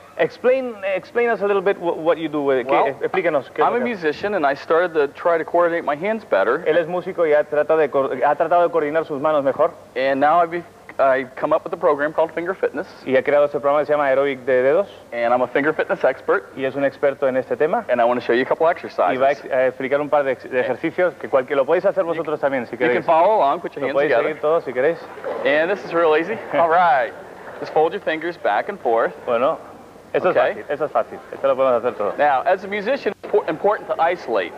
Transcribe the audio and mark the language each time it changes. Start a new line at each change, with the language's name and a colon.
English: Explain us a little bit what you do with it. Well,
Spanish: explíquenos.
English: I'm a musician and I started to try to coordinate my hands better.
Spanish: Él es músico y ha tratado de coordinar sus manos mejor.
English: And now I've come up with a program called Finger Fitness.
Spanish: Y he creado este programa que se llama Aerobic de Dedos.
English: And I'm a finger fitness expert.
Spanish: Y es un experto en este tema.
English: And I want to show you a couple exercises.
Spanish: Y va a explicar un par de ejercicios que cualquiera lo podéis hacer vosotros también si queréis.
English: You can follow along, put your hands together.
Spanish: Lo podéis seguir todos si queréis.
English: And this is real easy. All right. Just fold your fingers back and forth.
Spanish: Bueno, eso okay. Es fácil. Esto lo podemos hacer todos.
English: Now, as a musician, it's important to isolate.